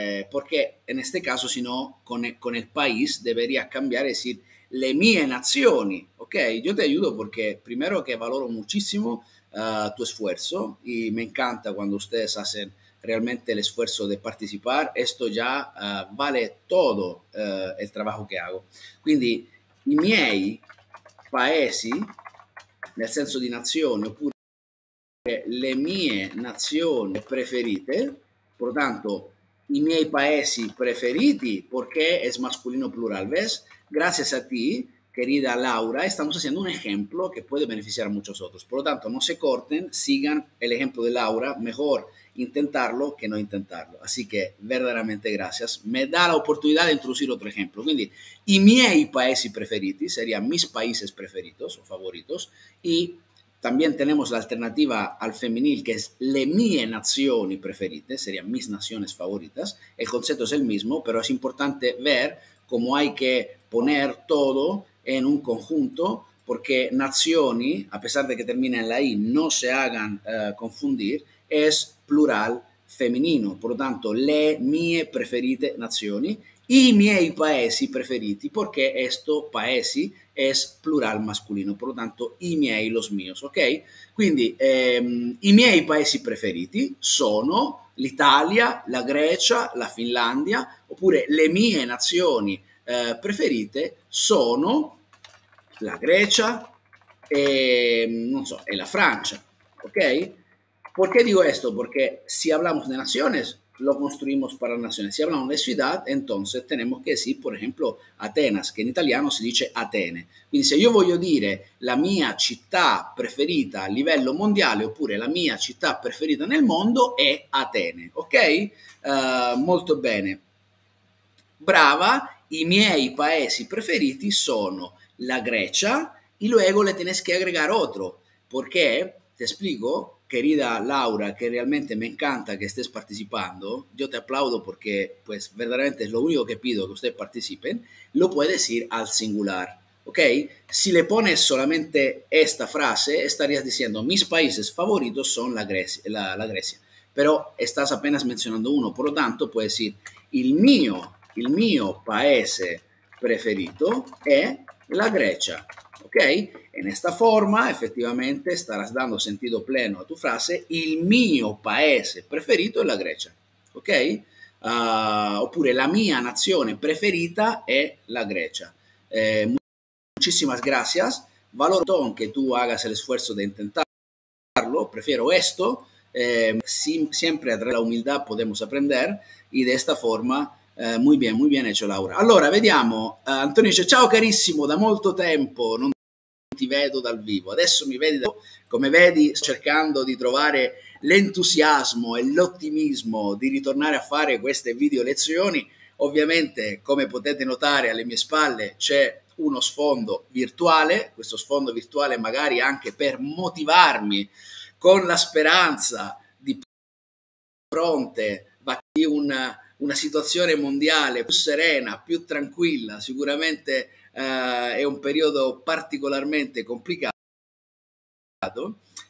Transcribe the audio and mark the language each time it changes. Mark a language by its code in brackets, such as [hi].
[es] Porque en este caso, si no, con el país debería cambiar, es decir, [it] le mie nazioni, [es] ok? Yo te ayudo porque, primero, que valoro muchísimo tu esfuerzo, y me encanta cuando ustedes hacen realmente el esfuerzo de participar, esto ya vale todo el trabajo que hago. [it] Quindi, i miei paesi, nel senso di nazione, oppure le mie nazioni preferite, portanto, i miei paesi preferiti, perché è masculino plural, [es] ves? Gracias a ti, querida Laura, estamos haciendo un ejemplo que puede beneficiar a muchos otros. Por lo tanto, no se corten, sigan el ejemplo de Laura, mejor intentarlo que no intentarlo. Así que, verdaderamente gracias. Me da la oportunidad de introducir otro ejemplo. [it] Quindi, i miei paesi preferiti [es] serían mis países preferidos o favoritos. Y también tenemos la alternativa al femenil, que es [it] le mie nazioni preferite, [es] serían mis naciones favoritas. El concepto es el mismo, pero es importante ver cómo hay que poner todo en un conjunto, porque nazioni, a pesar de que termina en la I, no se hagan confundir, es plural femenino. Por lo tanto, [it] le mie preferite nazioni, i miei paesi preferiti, [es] porque esto, paesi, es plural masculino. Por lo tanto, [it] i miei, [es] los míos, ¿ok? [it] Quindi, i miei paesi preferiti sono l'Italia, la Grecia, la Finlandia, oppure le mie nazioni preferite sono la Grecia e, non so, e la Francia, ok? Perché dico questo? [es] Perché se hablamos de naciones, lo construimos para naciones. Se hablamos de ciudad, entonces tenemos que decir, por ejemplo, Atenas, que en italiano [it] si dice Atene. Quindi se io voglio dire la mia città preferita a livello mondiale oppure la mia città preferita nel mondo è Atene, ok? Molto bene. Brava, i miei paesi preferiti sono la Grecia, [es] y luego le tienes que agregar otro. ¿Por qué? Te explico, querida Laura, que realmente me encanta que estés participando. Yo te aplaudo porque, pues, verdaderamente es lo único que pido, que ustedes participen. Lo puedes ir al singular, ¿ok? Si le pones solamente esta frase, estarías diciendo, mis países favoritos son la Grecia. Pero estás apenas mencionando uno. Por lo tanto, puedes decir, [it] il mio paese preferito è la Grecia, [es] ok? En esta forma, efectivamente, estarás dando sentido pleno a tu frase, [it] il mio paese preferito è la Grecia, [es] ok? [it] Oppure la mia nazione preferita è la Grecia. [es] Muchísimas gracias, valoro que tú hagas el esfuerzo de intentarlo, prefiero esto, siempre a través de la humildad podemos aprender, y de esta forma. Muy bien, hecho Laura. [it] Allora, vediamo. Antonio dice, ciao carissimo, da molto tempo non ti vedo dal vivo. Adesso mi vedi, come vedi, sto cercando di trovare l'entusiasmo e l'ottimismo di ritornare a fare queste video lezioni. Ovviamente, come potete notare, alle mie spalle c'è uno sfondo virtuale, questo sfondo virtuale magari anche per motivarmi, con la speranza di pronte di una situazione mondiale più serena, più tranquilla, sicuramente è un periodo particolarmente complicato.